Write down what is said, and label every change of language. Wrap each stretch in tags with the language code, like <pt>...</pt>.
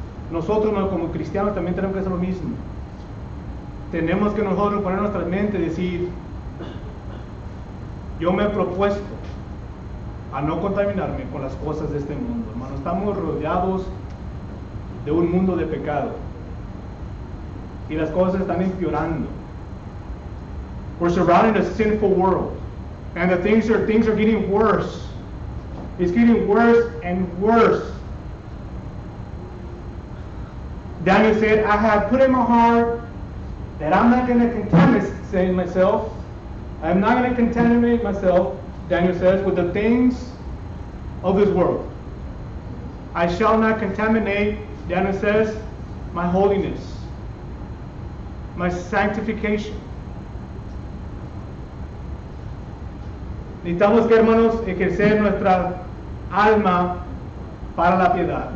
<es>Nosotros como cristianos también tenemos que hacer lo mismo. Tenemos que nosotros poner nuestra mente y decir, yo me he propuesto a no contaminarme con las cosas de este mundo. Hermano, estamos rodeados de un mundo de pecado y las cosas están empeorando.</es> <en>We're surrounded in a sinful world and the things are getting worse. It's getting worse and worse. Daniel said, I have put in my heart that I'm not going to contaminate myself. I'm not going to contaminate myself, Daniel says, with the things of this world. I shall not contaminate, Daniel says, my holiness, my sanctification.</en> <es>Necesitamos que, hermanos, ejercer nuestra alma para la piedad.</es>